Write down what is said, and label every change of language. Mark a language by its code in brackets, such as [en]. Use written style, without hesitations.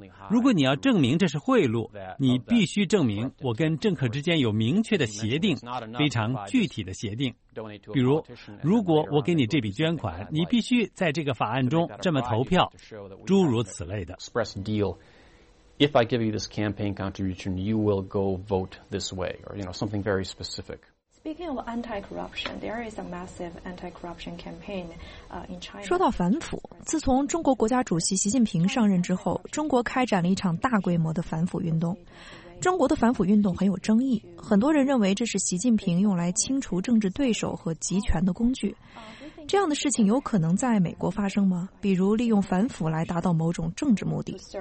[zh] 如果你要证明这是贿赂，你必须证明我跟政客之间有明确的协定，非常具体的协定。比如，如果我给你这笔捐款，你必须在这个法案中这么投票，诸如此类的。 [en] If I give you this campaign contribution, you will go vote this way, or, you know, something very specific. Speaking of anti-corruption, there is a massive anti-corruption campaign in China. [zh] 说到反腐，自从中国国家主席习近平上任之后，中国开展了一场大规模的反腐运动。中国的反腐运动很有争议，很多人认为这是习近平用来清除政治对手和集权的工具。这样的事情有可能在美国发生吗？比如利用反腐来达到某种政治目的。